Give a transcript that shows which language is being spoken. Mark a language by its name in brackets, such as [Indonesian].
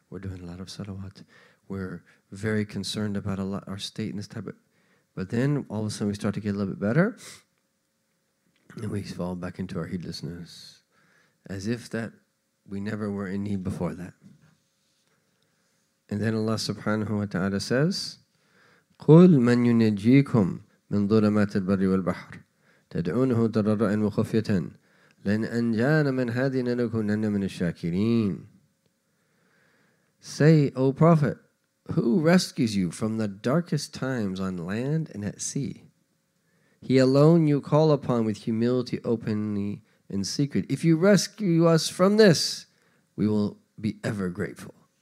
[English] We're doing a lot of salawat. We're very concerned about our state in this type of... But then all of a sudden we start to get a little bit better. And we fall back into our heedlessness, as if that we never were in need before that. And then Allah subhanahu wa ta'ala says, [Arabic] قُلْ مَنْ يُنَجِّيكُمْ مِنْ ظُلَمَاتِ الْبَرِّ وَالْبَحْرِ تَدْعُونَهُ تَضَرُّعًا وَخُفْيَةً لَنْ أَنْجَانَ مِنْ هَذِهِ لَنَكُونَنَّ مِنَ الشَّاكِرِينَ. [English] Say, O Prophet, who rescues you from the darkest times on land and at sea? He alone you call upon with humility, openly, in secret. If you rescue us from this, we will be ever grateful.